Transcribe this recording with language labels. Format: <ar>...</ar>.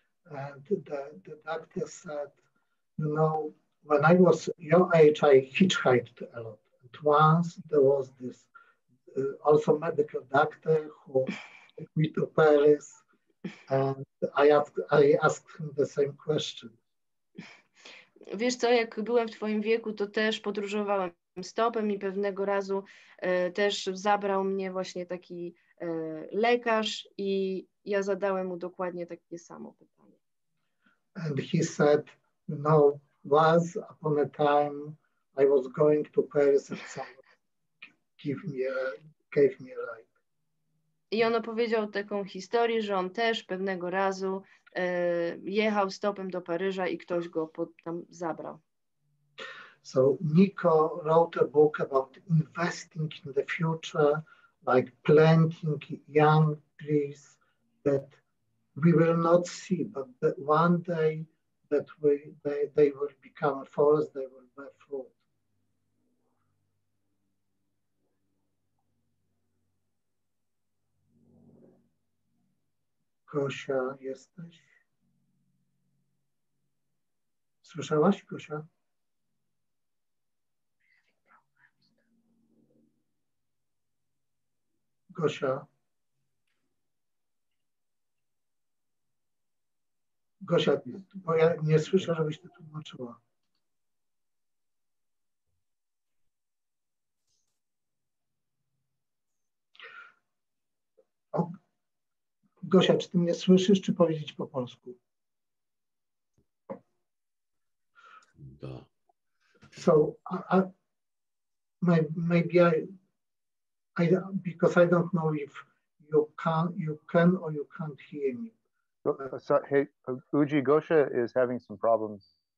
<en>And the doctor said, you know, when I was your age, I hitchhiked a lot. And once there was this also medical doctor who took me to Paris, and I asked him the same question.</en> <pl>Wiesz co, jak byłem w twoim wieku, to też podróżowałem stopem, i pewnego razu też zabrał mnie właśnie taki lekarz, i ja zadałem mu dokładnie takie samo pytanie.</pl> <en>And he said, no, once upon a time I was going to Paris and someone gave me a ride.</en> <pl>I on opowiedział taką historię, że on też pewnego razu jechał stopem do Paryża i ktoś go tam zabrał.</pl> <en>So Nico wrote a book about investing in the future, like planting young trees that we will not see, but that one day that they will become a forest, they will bear fruit.</en> <pl>Kosia, jesteś? Słyszałaś, Kosia? Gosia. Gosia, bo ja nie słyszę, żebyś to tłumaczyła. O. Gosia, czy ty mnie słyszysz, czy powiedzieć po polsku? Da.</pl> <en>So, maybe I, because I don't know if you can or you can't hear me. So, hey, Uji, Gosia is having some problems.</en>